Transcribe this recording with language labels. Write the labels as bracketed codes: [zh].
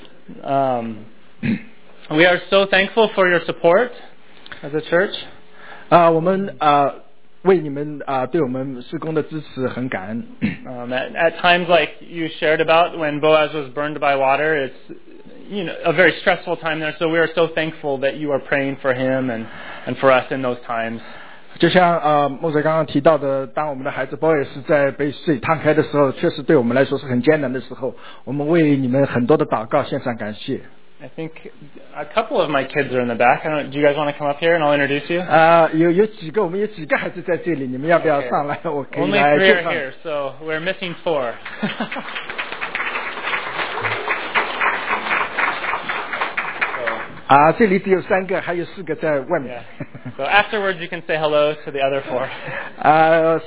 [en] We are so thankful for your support as a church. [zh] 我们为你们对我们事工的支持很感恩。 [en] At times like you shared about when Boaz was burned by water, it's you know a very stressful time there. So we are so thankful that you are praying for him and for us in those times. [zh] 就像牧者刚刚提到的，当我们的孩子 Boaz 是在被水烫开的时候，确实对我们来说是很艰难的时候。我们为你们很多的祷告献上感谢。 [en] I think a couple of my kids are in the back. Do you guys want to come up here and I'll introduce you? [zh] 有几个，我们有几个孩子在这里，你们要不要上来？ [en] Okay. [zh] 我可以来介绍。 [en] Only three are here, so we're missing four. [zh] 这里只有三个，还有四个在外面。 [en] Yeah. So afterwards, you can say hello to the other four.